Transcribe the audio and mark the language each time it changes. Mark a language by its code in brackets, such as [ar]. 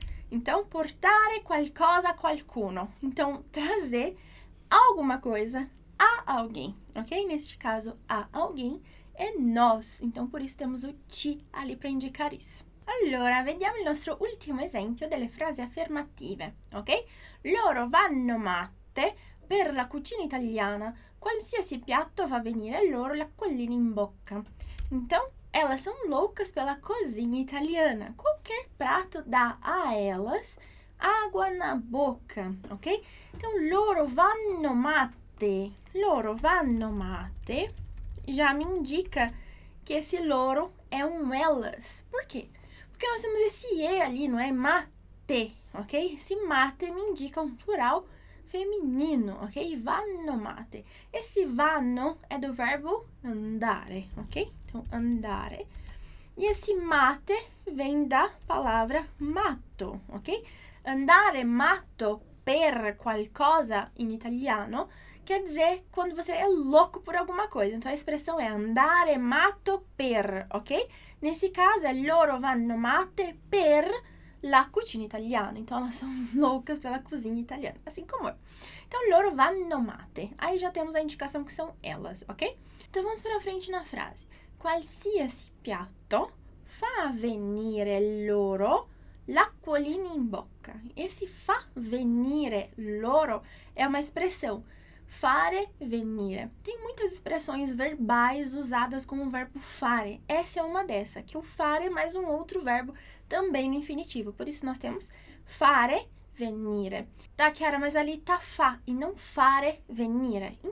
[it] Então, portare qualcosa a qualcuno. [pt] Então, trazer alguma coisa a alguém, ok? Neste caso, a alguém, e nós. Então, por isso temos o ti ali para indicar isso. [it] Allora, vediamo il nostro ultimo esempio delle frasi affermative, ok? Loro vanno matte per la cucina italiana. Qualsiasi piatto fa venire loro l'acquolina in bocca. [pt] Então, elas são loucas pela cozinha italiana. Qualquer prato dá a elas água na boca, ok? Então, [it] loro vanno matte. Loro vanno matte [pt] já me indica que esse loro é um elas. Por quê? Porque nós temos esse e ali, não é? Mate, ok? Esse mate me indica um plural feminino, ok? [it] Vanno mate. [pt] Esse vanno é do verbo andare, ok? Então, andare. E esse mate vem da palavra matto, ok? [it] Andare matto per qualcosa in italiano [pt] quer dizer quando você é louco por alguma coisa. Então, a expressão é [it] andare matto per, [pt] ok? Nesse caso, é [it] loro vanno matte per la cucina italiana. [pt] Então, elas são loucas pela cozinha italiana, assim como eu. Então, [it] loro vanno matte. [pt] Aí já temos a indicação que são elas, ok? Então, vamos para frente na frase. [it] Qualsiasi piatto fa venire loro l'acquolina in bocca. [pt] Esse [it] fa venire loro [pt] é uma expressão. [it] Fare, venire. [pt] Tem muitas expressões verbais usadas com o verbo fare. Essa é uma dessa, que o fare é mais um outro verbo também no infinitivo. Por isso, nós temos [it] fare, venire. [pt] Tá, Chiara, mas ali tá fa e não fare, venire.